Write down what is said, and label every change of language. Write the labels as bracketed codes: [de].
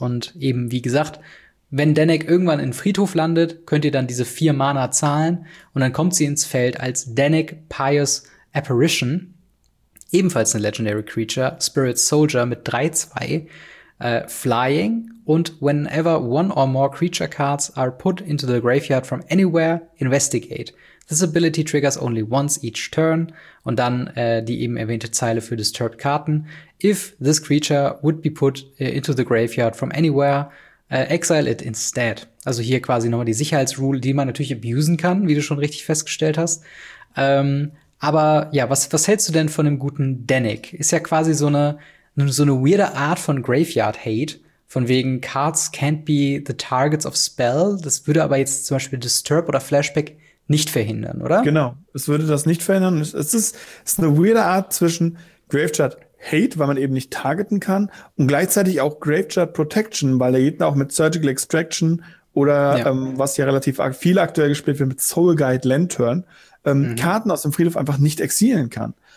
[de] Und eben, wie gesagt, wenn Danik irgendwann in Friedhof landet, könnt ihr dann diese 4 Mana zahlen und dann kommt sie ins Feld als Danik Pious Apparition, ebenfalls eine Legendary Creature, Spirit Soldier mit 3-2, Flying, und [en] whenever one or more creature cards are put into the graveyard from anywhere, investigate. This ability triggers only once each turn. [de] Und dann die eben erwähnte Zeile für Disturbed Karten. [en] If this creature would be put into the graveyard from anywhere, exile it instead. [de] Also hier quasi nochmal die Sicherheitsrule, die man natürlich abusen kann, wie du schon richtig festgestellt hast. Aber ja, was hältst du denn von dem guten Danik? Ist ja quasi so eine weirde Art von Graveyard-Hate. Von wegen, [en] cards can't be the targets of spell. [de] Das würde aber jetzt zum Beispiel Disturb oder Flashback nicht verhindern, oder? Genau, es würde das nicht verhindern. Es ist eine weirde Art zwischen Graveyard Hate, weil man eben nicht targeten kann. Und gleichzeitig auch Graveyard Protection, weil der Gegner auch mit Surgical Extraction oder was ja relativ viel aktuell gespielt wird, mit Soul Guide Lantern, Karten aus dem Friedhof einfach nicht exilen kann.